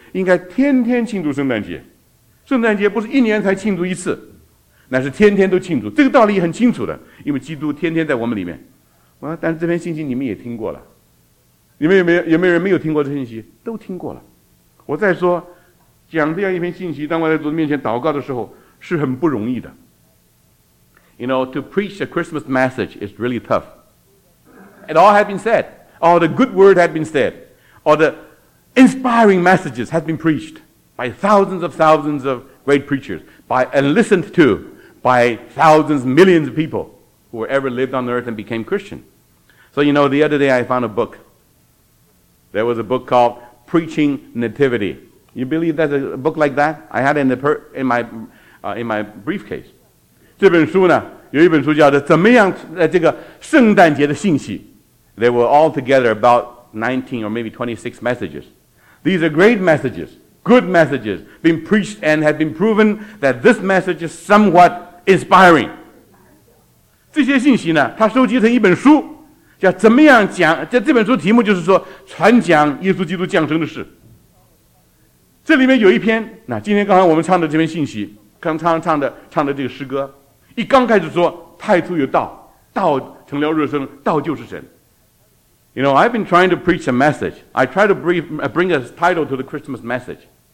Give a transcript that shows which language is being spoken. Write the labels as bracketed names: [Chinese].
[Chinese] 应该天天庆祝圣诞节。圣诞节不是一年才庆祝一次，乃是天天都庆祝。这个道理也很清楚的，因为基督天天在我们里面。啊，但是这篇信息你们也听过了，你们有没有人没有听过这信息？都听过了。我再说，讲这样一篇信息，当我在主面前祷告的时候，是很不容易的。 [English] You know, to preach a Christmas message is really tough. It all had been said. All the good word had been said. All the inspiring messages had been preached by thousands of great preachers, by and listened to by thousands, millions of people who ever lived on earth and became Christian. So, you know, the other day I found a book. There was a book called Preaching Nativity. You believe that a book like that? I had it in my briefcase. [Chinese] 这本书呢，有一本书叫做怎么样这个圣诞节的信息。 [English] They were all together about 19 or maybe 26 messages. These are great messages, good messages, been preached and have been proven that this message is somewhat inspiring. [Chinese] 这些信息呢，它收集成一本书叫怎么样讲，这本书题目就是说传讲耶稣基督降生的事。这里面有一篇，那今天刚才我们唱的这篇信息，刚唱唱的这个诗歌，一刚开始说太初有道，道成了肉身，道就是神。 [English] You know, I've been trying to preach a message. I try to bring a title to the Christmas message.